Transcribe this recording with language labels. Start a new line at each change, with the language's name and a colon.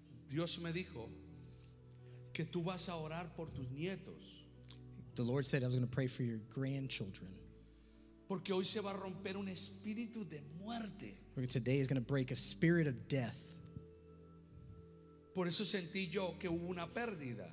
Spanish: Dios me dijo que tú vas a orar por tus nietos.
English: The Lord said I was going to pray for your grandchildren.
Spanish: Porque hoy se va a romper un espíritu de muerte.
English: Because today is going to break a spirit of death.
Spanish: Por eso sentí yo que hubo una pérdida.